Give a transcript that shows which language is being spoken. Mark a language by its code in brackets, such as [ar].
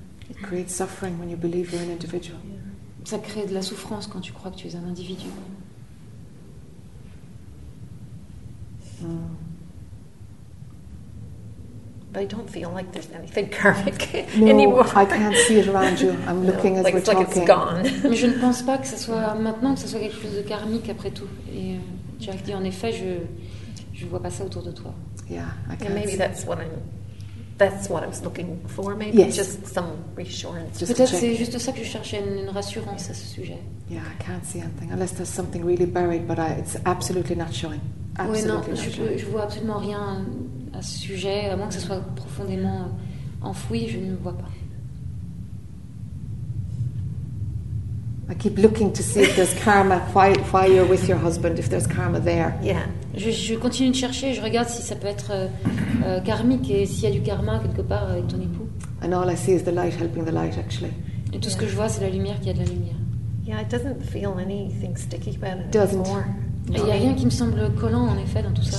[en] It creates suffering when you believe you're an individual. [fr] Ça crée de la souffrance quand tu crois que tu es un individu. [en] I don't feel like there's anything karmic anymore. No, I can't see it around you. I'm looking as we're talking. It's like it's gone. [fr] Mais je ne pense pas que ce soit maintenant que ce soit quelque chose de karmique après tout. Et Jack dit en effet, je vois pas ça autour de toi. [en] Yeah, I can't. And maybe see. That's what I'm That's what I was looking for, maybe. Yes. Just some reassurance. [fr] Just peut-être c'est juste ça que je cherchais, une rassurance à ce sujet. [en] Yeah, I can't see anything, unless there's something really buried, but it's absolutely not showing. Absolutely oui, non, not je, showing. [fr] Je vois absolument rien à ce sujet, à moins que ce soit profondément enfoui, je ne vois pas. [en] I keep looking to see if there's karma while you're with your husband, if there's karma there. Yeah. [fr] Je continue de chercher, je regarde si ça peut être karmique et s'il y a du karma quelque part avec ton époux. [en] And all I see is the light helping the light, actually. [fr] Et tout ce que je vois, c'est la lumière qui aide la lumière. [en] Yeah, it doesn't feel anything sticky about it anymore. [fr] Il n'y a rien qui me semble collant, en effet, dans tout ça.